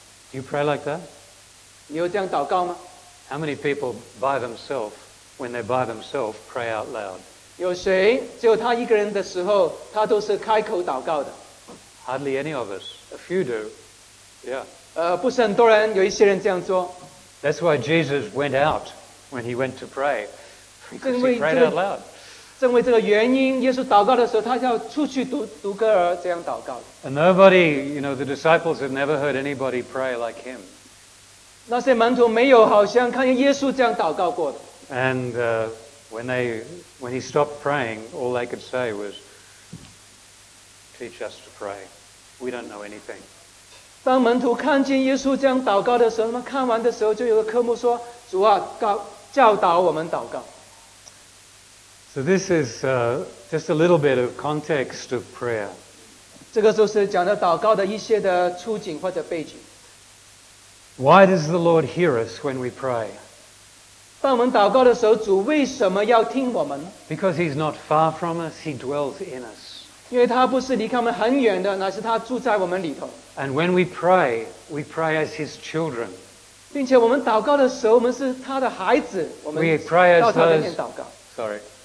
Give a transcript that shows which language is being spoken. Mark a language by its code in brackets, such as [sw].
[en] Do you pray like that? [zh] 你有这样祷告吗？ [en] How many people by themselves, when they're by themselves, pray out loud? [zh] 有谁只有他一个人的时候，他都是开口祷告的？ [en] Hardly any of us. A few do. Yeah. [zh] 不是很多人，有一些人这样做。 [en] That's why Jesus went out when he went to pray. Because he prayed out loud. [zh] 正为这个原因，耶稣祷告的时候，他要出去独个儿这样祷告。 [en] And nobody, you know, the disciples had never heard anybody pray like him. [zh] 那些门徒没有好像看见耶稣这样祷告过的。 [en] And when he stopped praying, all they could say was, "Teach us to pray. We don't know anything." [zh] 当门徒看见耶稣这样祷告的时候，他们看完的时候，就有个科目说：“主啊，教导我们祷告。” [en] So this is just a little bit of context of prayer. [zh] 这个就是讲的祷告的一些的初景或者背景。 [en] Why does the Lord hear us when we pray? [zh] 当我们祷告的时候，主为什么要听我们？ [en] Because he's not far from us, he dwells in us. [zh] 因为他不是离开我们很远的，乃是他住在我们里头。 [en] And when we pray as his children. [zh] 并且我们祷告的时候，我们是他的孩子，我们到他面前祷告。